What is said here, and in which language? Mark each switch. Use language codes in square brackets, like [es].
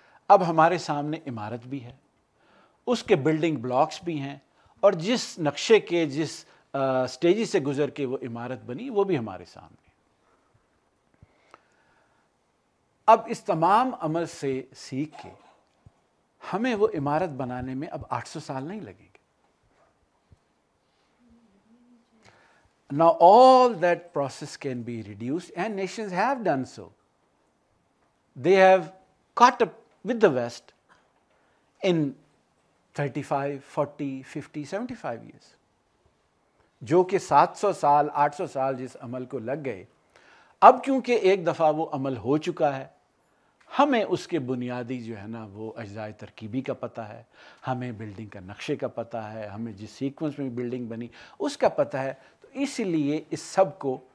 [ur] اب ہمارے سامنے عمارت بھی ہے, اس کے بلڈنگ بلاکس بھی ہیں, اور جس نقشے کے جس سٹیجی سے گزر کے وہ عمارت بنی وہ بھی ہمارے سامنے. اب اس تمام عمل سے سیکھ کے ہمیں وہ عمارت بنانے میں اب 800 سال نہیں لگیں گے. [en] Now all that process can be reduced, and nations have done so. They have caught up with the West in 35, 40, 50, 75 years. [ur] جو کہ 700 سال, 800 سال جس عمل کو لگ گئے, اب کیونکہ ایک دفعہ وہ عمل ہو چکا ہے, ہمیں اس کے بنیادی جو ہے نا وہ اجزائے ترکیبی کا پتہ ہے, ہمیں بلڈنگ کا نقشے کا پتہ ہے, ہمیں جس سیکوینس میں بلڈنگ بنی اس کا پتہ ہے, تو اسی لیے اس سب کو